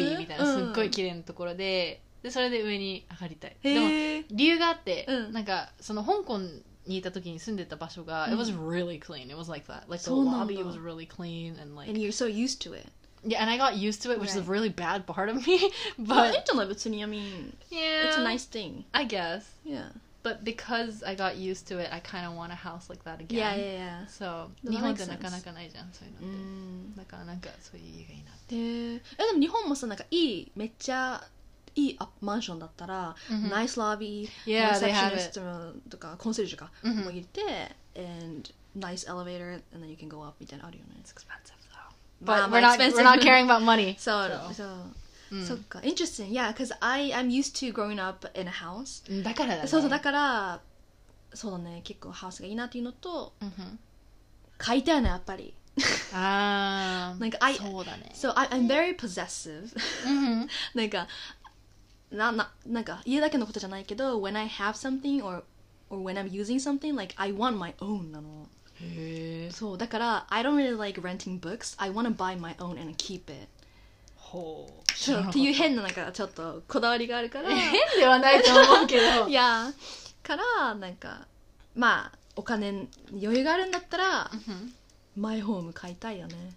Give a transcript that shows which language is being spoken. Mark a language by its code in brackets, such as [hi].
[ja] ロビーみたいな、すっごい綺麗なところで、で、それで上に上がりたい。でも、理由があって、なんか、その香港にいた時に住んでた場所が、 [en] it was really clean, it was like that. Like, the lobby was really clean, and like... And you're so used to it. Yeah, and I got used to it, which is a really bad part of me. But well, internet, but to me, I mean, it's a nice thing. I guess. Yeah. But because I got used to it, I kind of want a house like that again. Yeah, yeah, yeah. [ja] So, 日本でなかなかないじゃん、そういうのって。だからなんかそういう家がいいなって。でも日本もさ、なんかいい、めっちゃいいマンションだったら、 [en] nice lobby, receptionist [ja] とか、コンシェルジュかも入れて、 [en] and nice elevator, and then you can go up [ja] みたいなあるよね。 [en] It's expensive. But we're not caring about money. So, interesting. Yeah, because I'm used to growing up in a house. [ja] だからだね。そうそう、だから、そうだね、結構ハウスがいいなっていうのと、買いたいね、やっぱり。ああ。なんか、そうだね。 [en] So, I'm very possessive. [ja] なんか、なんか、家だけのことじゃないけど、 [en] when I have something or when I'm using something, like, I want my own なの。 [ja] へー。そう、だから [en] I don't really like renting books. I want to buy my own and keep it. [ja] ほう。ちょっと、っていう変ななんかちょっとこだわりがあるから。変ではないと思うけど。いや、からなんかまあお金に余裕があるんだったらマイホーム買いたいよね。